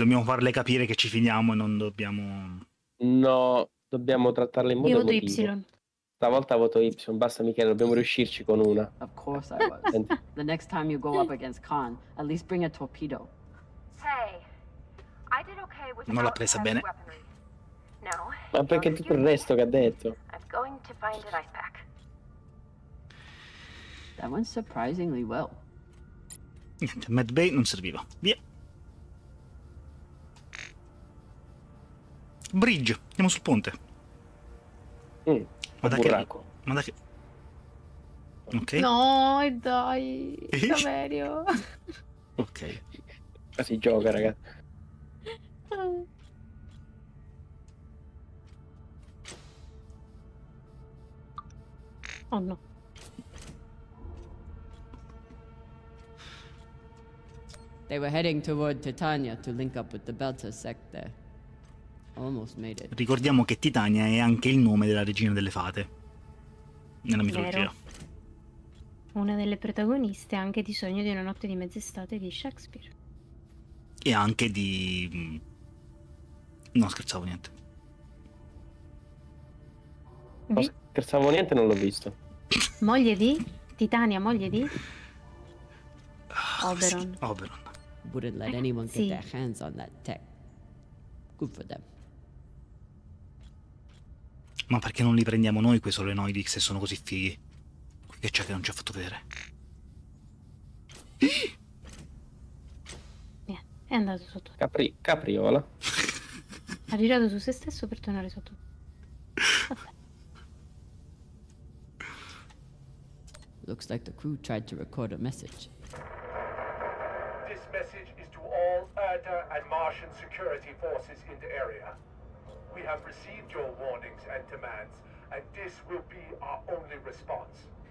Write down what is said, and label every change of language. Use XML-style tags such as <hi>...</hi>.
<it>Dobbiamo farle capire che ci fidiamo e non dobbiamo... No, dobbiamo trattarle in modo emotivo. Io voto Y. Stavolta voto Y, basta Michele, dobbiamo riuscirci con una.</it> <en>Of course I was. The next time you go up against Khan, at least bring a torpedo. Hey, I did okay with</en> <it>non l'ha presa bene. No, ma perché tutto il resto che ha detto?</it> <en>I'm going to find an ice pack. That went surprisingly well.</en> <it>Niente, Mad Bay non serviva. Via. Bridge, andiamo sul ponte. Ma da che racco? Ma da che? Ok. No, dai. Saverio. Ok. Ma si gioca, raga. Oh no.</it> <en>They were heading toward Titania to link up with the Belta sect there. Almost made it.</en> <it>Ricordiamo che Titania è anche il nome della regina delle fate nella mitologia. Vero. Una delle protagoniste anche di Sogno di una notte di mezz'estate di Shakespeare. E anche di... No, scherzavo niente. No, scherzavo niente, non l'ho visto. Moglie di? Titania, moglie di? Oberon. Oberon.</it> <en>Wouldn't let anyone get their hands on that tech. Good for them.</en> <it>Ma perché non li prendiamo noi quei solenoidi se sono così fighi? Che c'è che non ci ha fatto vedere? È andato sotto. Capriola. Ha girato su se stesso per tornare sotto.</it> <en>Looks like the crew tried to record a message. This message is to all Erda and Martian security forces in the area. We have received your warnings and demands, and this will be our only response.</en>